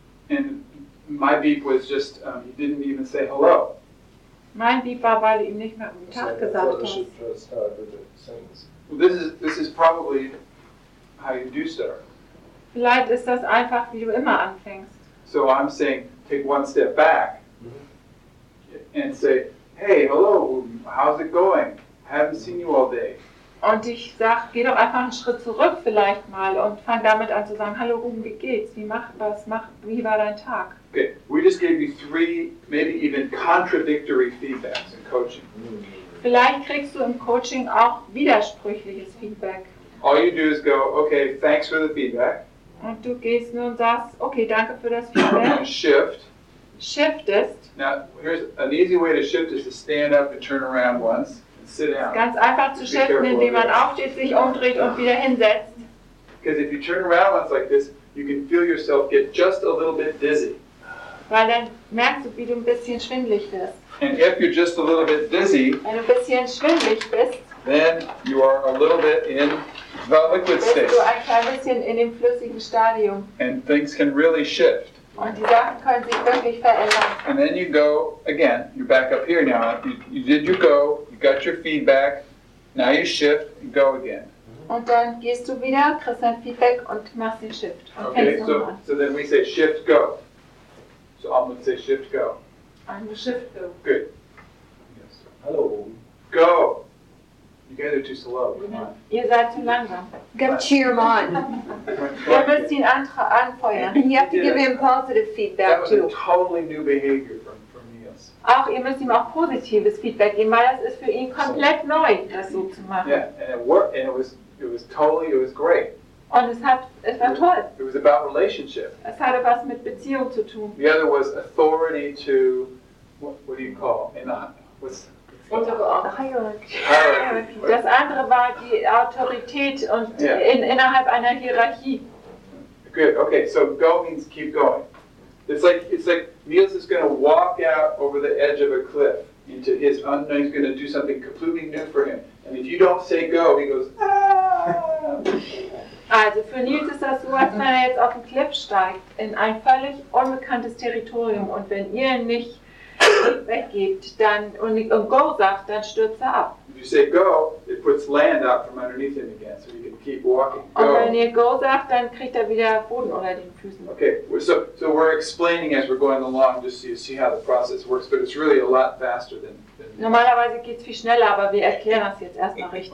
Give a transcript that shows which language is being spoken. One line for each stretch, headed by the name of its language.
English: And my beep was just, he didn't even say hello.
German: Mein beep war, weil du ihm nicht mehr guten Tag gesagt hast.
English: Well, this is probably how you do, sir.
German: Vielleicht ist das einfach, wie du immer anfängst.
English: So I'm saying, take one step back and say, hey, hello, how's it going? Haven't seen you all day.
German: Und ich sag, geh doch einfach einen Schritt zurück vielleicht mal und fang damit an zu sagen, hallo Ruben, wie geht's? Wie war dein Tag?
English: Okay, we just gave you three, maybe even contradictory feedbacks in coaching.
German: Vielleicht kriegst du im Coaching auch widersprüchliches Feedback.
English: All you do is go, okay, thanks for the feedback.
German: Und du gehst nur und sagst, okay, danke für das Feedback.
English: Shiftest. Now, here's an easy way to shift is to stand up and turn around once and sit down.
German: Ganz einfach zu shiften, indem man aufsteht, sich umdreht und wieder hinsetzt.
English: Because if you turn around once like this, you can feel yourself get just a little bit dizzy.
German: Weil dann merkst du, wie du ein bisschen schwindelig bist.
English: And if you're just a little bit dizzy,
German: wenn du ein bisschen schwindelig bist,
English: then you are a little bit in the liquid state.
German: Bist du ein klein bisschen in dem flüssigen Stadium.
English: And things can really shift.
German: Und die Sachen können sich wirklich verändern.
English: And then you go again. You're back up here now. You did your go. You got your feedback. Now you shift and go again.
German: Und dann gehst du wieder, kriegst dein Feedback und machst den Shift.
English: Okay, so then we say shift, go. So I'm going to say shift, go. I'm going to shift, go. Good. Yes. Hello. Go. You guys are too slow. Come on.
German: Ihr seid zu langsam.
English: Go cheer him on.
German: Ihr müsst ihn anfeuern.
English: You have to give him positive feedback too. That was too. A totally new behavior from Nils.
German: Auch ihr müsst ihm auch positives Feedback geben, weil das ist für ihn komplett so, neu, das so zu machen.
English: Yeah, and it worked, and it was great.
German: Und es war toll.
English: It was about relationship.
German: Es hatte was mit Beziehung zu tun.
English: The other was authority to, what do you call, and I was. Hierarchy.
German: Das andere war die Autorität und innerhalb einer Hierarchie.
English: Good. Okay. So go means keep going. It's like Niels is going to walk out over the edge of a cliff. into his unknown. He's going to do something completely new for him. And if you don't say go, he goes, ah.
German: Also für Nils ist das so, als wenn er jetzt auf den Cliff steigt, in ein völlig unbekanntes Territorium. Und wenn ihr nicht weggeht dann, und go sagt, dann stürzt er ab.
English: If you say go, it puts land out from underneath him again, so he can keep walking. Go.
German: Und wenn ihr go sagt, dann kriegt er wieder Boden unter den Füßen.
English: Okay, so we're explaining as we're going along, just so you see how the process works, but it's really a lot faster than...
German: Normalerweise geht es viel schneller, aber wir erklären das jetzt erstmal richtig.